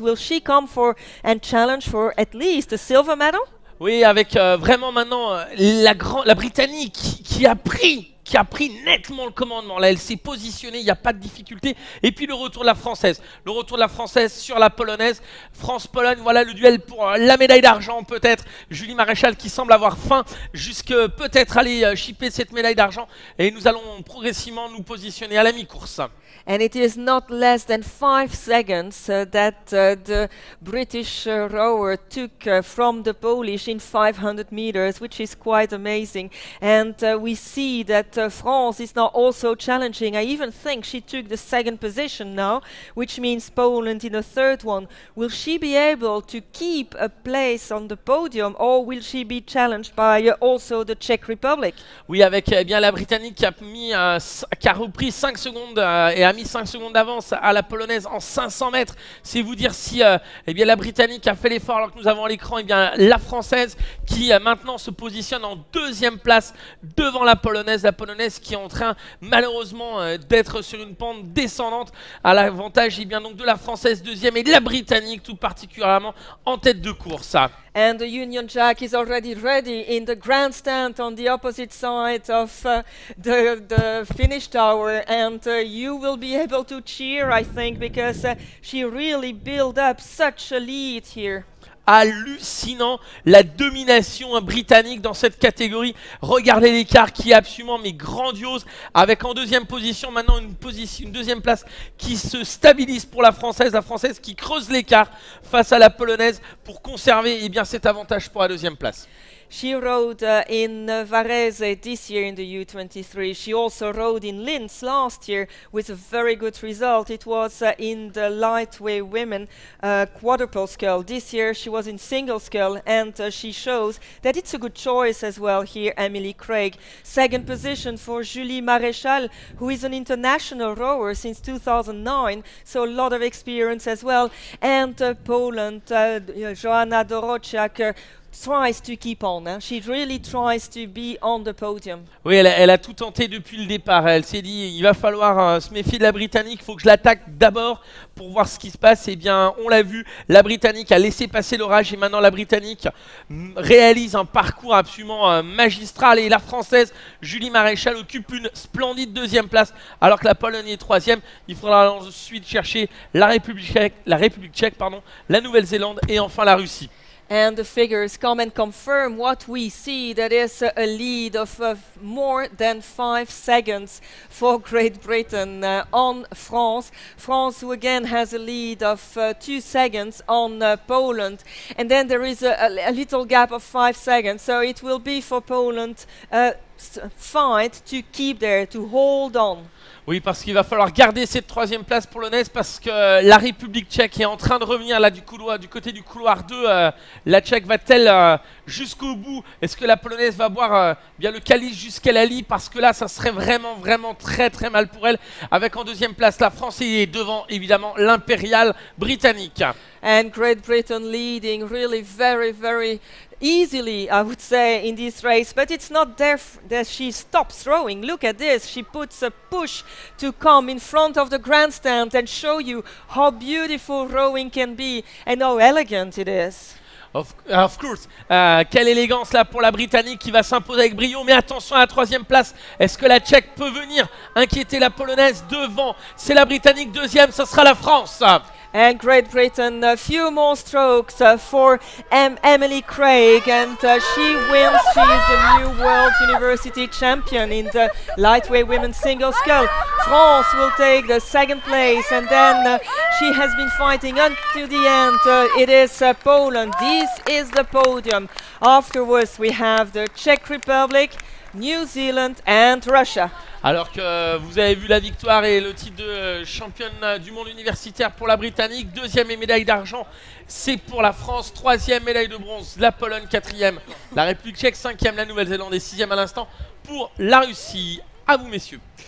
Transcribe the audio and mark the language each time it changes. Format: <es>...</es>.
<en>Will she come for and challenge for at least a silver medal?</en> <fr>Oui, avec vraiment maintenant la Britannique qui a pris nettement le commandement. Là, elle s'est positionnée, il n'y a pas de difficulté. Et puis le retour de la Française. Le retour de la Française sur la Polonaise. France-Pologne, voilà le duel pour la médaille d'argent peut-être. Julie Maréchal qui semble avoir faim jusque peut-être aller chipper cette médaille d'argent. Et nous allons progressivement nous positionner à la mi-course.</fr> <en>And it is not less than 5 seconds that the British rower took from the Polish in 500 meters, which is quite amazing. And we see that France is now also challenging. I even think she took the second position now, which means Poland in the third one. Will she be able to keep a place on the podium, or will she be challenged by also the Czech Republic?</en> <fr>Oui, avec eh bien la Britannique qui a repris 5 secondes et a mis 5 secondes d'avance à la Polonaise en 500 mètres. C'est vous dire si eh bien, la Britannique a fait l'effort alors que nous avons à l'écran eh bien, la Française qui maintenant se positionne en 2e place devant la Polonaise. La Polonaise qui est en train malheureusement d'être sur une pente descendante à l'avantage eh bien, donc, de la Française 2e et de la Britannique tout particulièrement en tête de course.</fr> <en>And the Union Jack is already ready in the grandstand on the opposite side of the finish tower. And you will be able to cheer, I think, because she really built up such a lead here.</en> <fr>hallucinant, la domination britannique dans cette catégorie. Regardez l'écart qui est absolument mais grandiose, avec en deuxième position maintenant une deuxième place qui se stabilise pour la Française qui creuse l'écart face à la Polonaise pour conserver eh bien, cet avantage pour la deuxième place.</fr> <en>She rode in Varese this year in the U23. She also rode in Linz last year with a very good result. It was in the lightweight women quadruple scale. This year she was in single scale, and she shows that it's a good choice as well here, Emily Craig. Second position for Julie Maréchal, who is an international rower since 2009, so a lot of experience as well. And Poland, Joanna Dorociak, tries to keep on. Hein. She really tries to be on the podium.</en> <fr>Oui, elle a tout tenté depuis le départ. Elle s'est dit, il va falloir se méfier de la Britannique. Il faut que je l'attaque d'abord pour voir ce qui se passe. Eh bien, on l'a vu, la Britannique a laissé passer l'orage et maintenant la Britannique réalise un parcours absolument magistral. Et la Française, Julie Maréchal, occupe une splendide deuxième place alors que la Pologne est troisième. Il faudra ensuite chercher la République tchèque, la Nouvelle-Zélande et enfin la Russie.</fr> <en>And the figures come and confirm what we see, that is a lead of more than 5 seconds for Great Britain on France. France, who again has a lead of 2 seconds on Poland. And then there is a little gap of 5 seconds. So it will be for Poland a fight to keep there, to hold on.</en> <fr>Oui, parce qu'il va falloir garder cette troisième place polonaise parce que la République tchèque est en train de revenir là du côté du couloir 2. La Tchèque va-t-elle jusqu'au bout? Est-ce que la Polonaise va boire bien le calice jusqu'à la lie? Parce que là, ça serait vraiment, vraiment très, très mal pour elle. Avec en deuxième place la France et devant, évidemment, l'impériale britannique.</fr> <en>And Great Britain leading really very, very easily, I would say, in this race. But it's not there that she stops rowing. Look at this. She puts a push to come in front of the grandstand and show you how beautiful rowing can be and how elegant it is. Of course,</en> <fr>quelle élégance là pour la Britannique qui va s'imposer avec brio. Mais attention à la troisième place, est-ce que la Tchèque peut venir inquiéter la Polonaise devant? C'est la Britannique deuxième, ça sera la France.</fr> <en>And Great Britain, a few more strokes for Emily Craig, and she wins. She is the new World University champion in the lightweight women's single scale. France will take the second place, and then she has been fighting until the end. It is Poland. This is the podium. Afterwards, we have the Czech Republic, New Zealand and Russia.</en> <fr>Alors que vous avez vu la victoire et le titre de championne du monde universitaire pour la Britannique, deuxième et médaille d'argent, c'est pour la France, troisième médaille de bronze, la Pologne, quatrième, la République tchèque, cinquième, la Nouvelle-Zélande et sixième à l'instant pour la Russie. À vous messieurs.</fr>